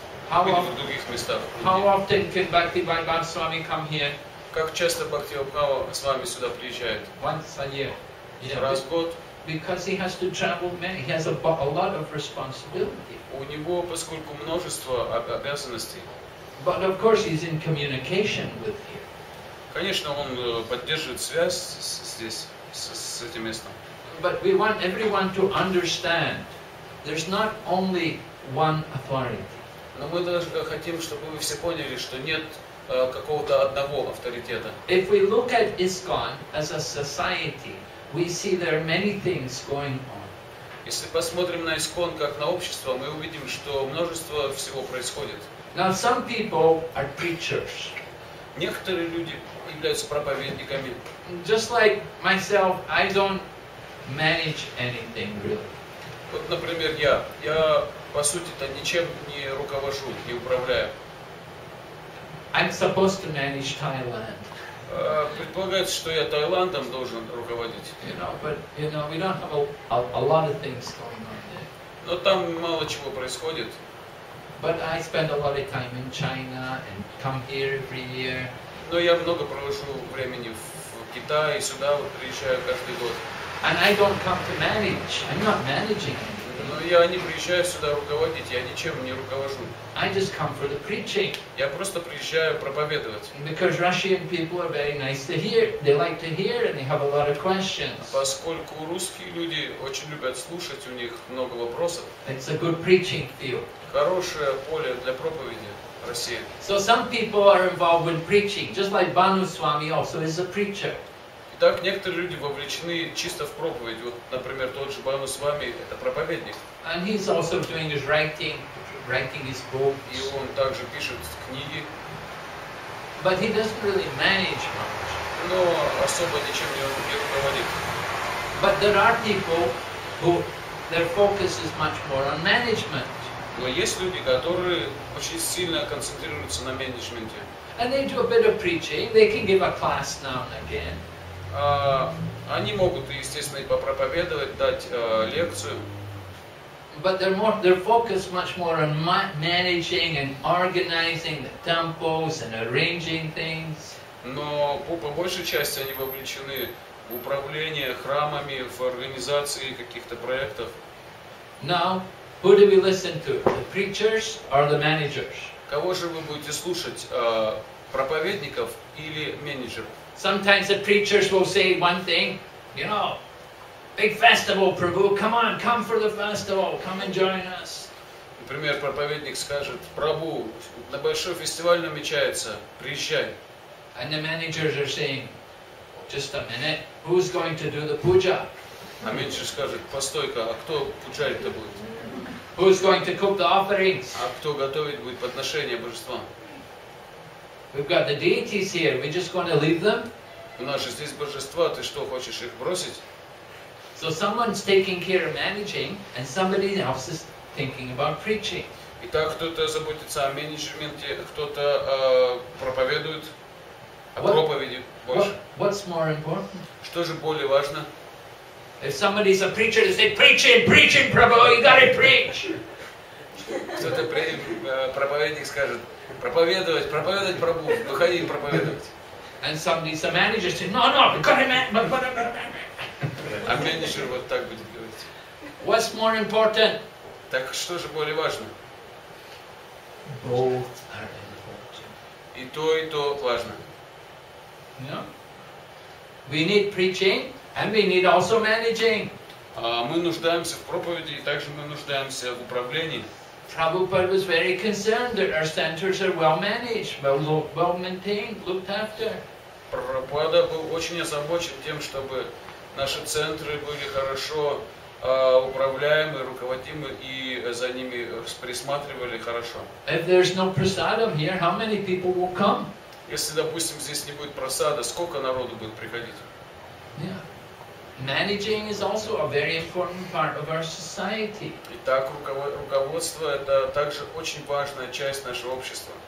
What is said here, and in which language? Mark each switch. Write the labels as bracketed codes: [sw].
[en] How [ru] и в других местах. [en] How often can Bhakti Vaibhav Swami come here? [ru] Как часто Бхакти Вайбхава с вами сюда приезжает? [en] Once a year. [ru] Yeah, раз в год. [en] Because he has to travel many. He has a lot of responsibility. [ru] У него, поскольку множество обязанностей. [en] But of course he's in communication with here. [ru] Конечно, он поддерживает связь здесь, с этим местом. [en] But we want everyone to understand there's not only one authority. [ru] Но мы даже хотим, чтобы вы все поняли, что нет какого-то одного авторитета. [en] If we look at ISKCON as a society, we see there are many things going on. [ru] Если посмотрим на ISKCON как на общество, мы увидим, что множество всего происходит. [en] Now some people are preachers. [ru] Некоторые люди являются проповедниками. [en] Just like myself, I don't manage anything really. [ru] Вот, например, я по сути-то ничем не руковожу, не управляю. [en] I'm supposed to manage Thailand. [ru] Предполагается, что я Таиландом должен руководить. [en] You know, but you know, we don't have a lot of things going on there. [ru] Но там мало чего происходит. [en] But I spend a lot of time in China and come here every year. [ru] Но я много провожу времени в Китае, сюда вот приезжаю каждый год. [en] And I don't come to manage. I'm not managing anything. [ru] Но я не приезжаю сюда руководить, я ничем не руковожу. [en] I just come for the preaching. [ru] Я просто приезжаю проповедовать. [en] Because Russian people are very nice to hear. They like to hear and they have a lot of questions. [ru] Поскольку русские люди очень любят слушать, у них много вопросов. [en] It's a good preaching field. [ru] Хорошее поле для проповеди в России. [en] So some people are involved in preaching, just like Bhanu Swami also is a preacher. [ru] Так некоторые люди вовлечены чисто в проповедь. Вот, например, тот же Бану с вами – это проповедник. [en] And he's also doing his writing his books. [ru] И он также пишет книги. [en] But he doesn't really manage much. [ru] Но особо ничем не руководит. [en] But there are people who their focus is much more on management. [ru] Но есть люди, которые очень сильно концентрируются на менеджменте. [en] And they do a bit of preaching. They can give a class now and again. [ru] Они могут, естественно, и попроповедовать, дать лекцию. [en] But they're focused much more on managing and organizing the temples and arranging things. [ru] Но по большей части они вовлечены в управление храмами, в организации каких-то проектов. [en] Now, who do we listen to? The preachers or the managers? [ru] Кого же вы будете слушать, проповедников или менеджеров? [en] Sometimes the preachers will say one thing, you know, big festival, Prabhu, come on, come for the festival, come and join us. [ru] Например, проповедник скажет, Прабу, на большой фестиваль намечается, приезжай. [en] And the managers are saying, just a minute, who's going to do the puja? [ru] А менеджер скажет, постой-ка, а кто пуджарить-то будет? [en] Who's going to cook the offerings? [ru] А кто готовить будет подношение божествам? [en] We've got the deities here. We just going to leave them? [ru] У нас же здесь божества. Ты что, хочешь их бросить? [en] So someone's taking care of managing, and somebody else is thinking about preaching. [ru] Итак, кто-то заботится о менеджменте, кто-то проповедует о проповеди больше. [en] What's more important? [ru] Что же более важно? [en] If somebody's a preacher, they say, preaching, Prabhu, you got to preach. [ru] Кто-то проповедник скажет, проповедовать, Прабу, выходи и проповедовать. [en] And somebody's a manager saying, no, we've got to manage. [ru] А менеджер вот так будет говорить. [en] What's more important? [ru] Так что же более важно? [en] Both are important. [ru] И то важно. [en] Yeah. We need preaching, and we need also managing. [ru] Мы нуждаемся в проповеди, и также мы нуждаемся в управлении. [en] Prabhupada was very concerned that our centers are well managed, well maintained, looked after. [ru] Прабхупада был очень озабочен тем, чтобы наши центры были хорошо управляемы, руководимы и за ними присматривали хорошо. [en] If there's no prasadam here, how many people will come? [ru] Если, допустим, здесь не будет просада, сколько народу будет приходить? [en] Yeah. Managing is also a very important part of our society. [ru] Итак, руководство – это также очень важная часть нашего общества.